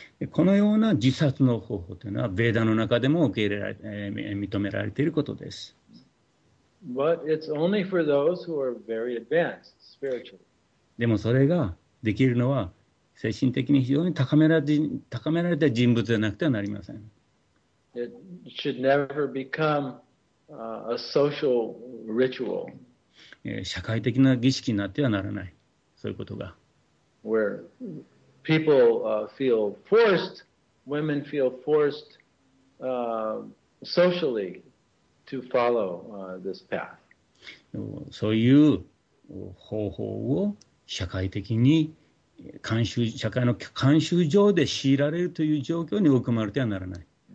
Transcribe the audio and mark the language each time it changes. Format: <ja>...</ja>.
<ja>このような自殺の方法というのはベーダの中でも受け入れられ、認められていることです。</ja> <en>But it's only for those who are very advanced spiritually.</en> <ja>でもそれができるのは精神的に非常に高められた人物でなくてはなりません。</ja> <en>It should never become a social ritual.</en> <ja>社会的な儀式になってはならない。そういうことが。</ja> <en>Where people feel forced, women feel forced socially. To follow, this path.</en> <ja>そういう方法を社会的に慣習、社会の慣習上で強いられるという状況に追い込まれてはならない。</ja>